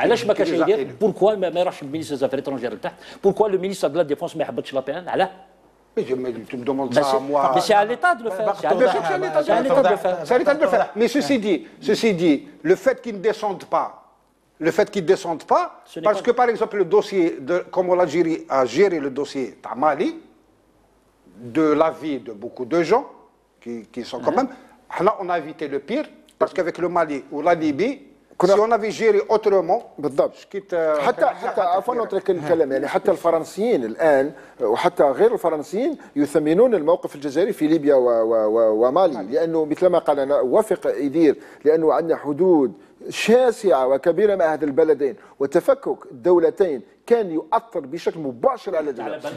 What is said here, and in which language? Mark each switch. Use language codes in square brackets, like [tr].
[ar] علاش ما كاش يدير؟ [fr] Pourquoi [ar] ما يرشح [fr] ministre des Affaires étrangères [ar] لتحت؟ [fr] Pourquoi le ministre de la Défense [ar] ما يحبطش لابان؟ علاه؟ [fr] Tu me demandes ça à moi. Mais c'est à l'État de le faire. C'est à l'État de le faire. Mais ceci dit, le fait qu'ils ne descendent pas, le fait qu'ils ne descendent pas, parce que par exemple, le dossier, comment l'Algérie a géré le dossier à Mali, de l'avis de beaucoup de gens qui sont quand même. Là, on a évité le pire, parce qu'avec le Mali ou la Libye, si on avait géré autrement, [ar] بالضبط. كيت حتى حتى عفوا نترك الكلام يعني حتى الفرنسيين الان وحتى غير الفرنسيين يثمنون الموقف الجزائري في ليبيا ومالي لانه مثل ما قال انا وافق يدير لانه عندنا حدود شاسعه وكبيره مع هذ البلدين وتفكك الدولتين كان يؤثر بشكل مباشر على الجزائر.